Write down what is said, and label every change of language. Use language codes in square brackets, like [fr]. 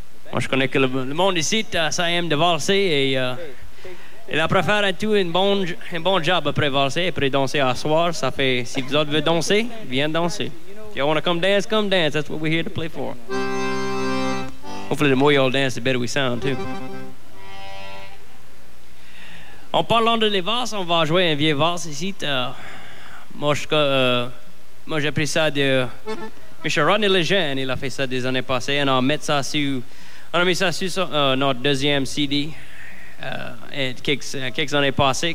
[fr] Moi, je connais que le monde ici, ça aime de valser et la préfère à tout un bon job après valser, après danser à soir. Ça fait, si vous autres voulez danser, viens danser. [en] If you want to come dance, that's what we're here to play for. Hopefully, the more y'all dance, the better we sound, too. [fr] En parlant de les valses, on va jouer un vieux valse ici. Moi, j'ai pris ça de Michel Rodney Lejeune. Il a fait ça des années passées. On a mis ça sur notre deuxième CD et quelques années passées.